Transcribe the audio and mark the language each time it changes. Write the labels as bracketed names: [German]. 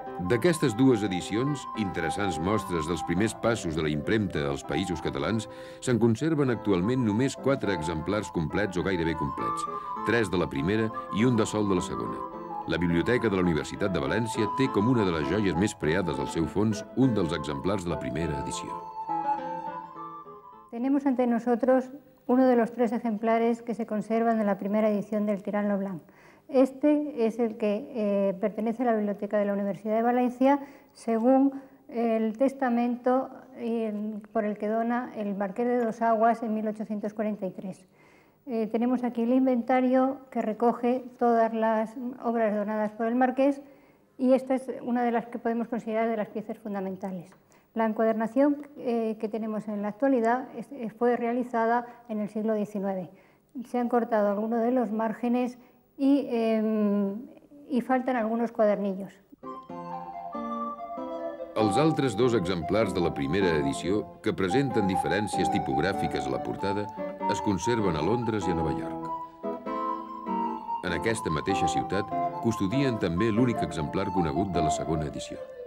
[Catalan] D'aquestes dues edicions, interessants mostres dels primers passos de la impremta als Països Catalans, se'n conserven actualment només 4 exemplars complets o gairebé complets, 3 de la primera i un de sol de la segona. La Biblioteca de la Universitat de València té com una de les joies més preades al seu fons un dels exemplars de la primera edició. [Spanish] Tenemos ante nosotros uno de los 3 ejemplares que se conservan de la primera edición del Tirano Blanc. Este es el que pertenece a la Biblioteca de la Universidad de Valencia según el testamento por el que dona el Marqués de Dos Aguas en 1843. Tenemos aquí el inventario que recoge todas las obras donadas por el Marqués y esta es una de las que podemos considerar de las piezas fundamentales. La encuadernación que tenemos en la actualidad fue realizada en el siglo XIX. Se han cortado algunos de los márgenes i falten alguns quadernillos. [Catalan] Els altres 2 exemplars de la primera edició, que presenten diferències tipogràfiques a la portada, es conserven a Londres i a Nova York. En aquesta mateixa ciutat, custodien també l'únic exemplar conegut de la segona edició.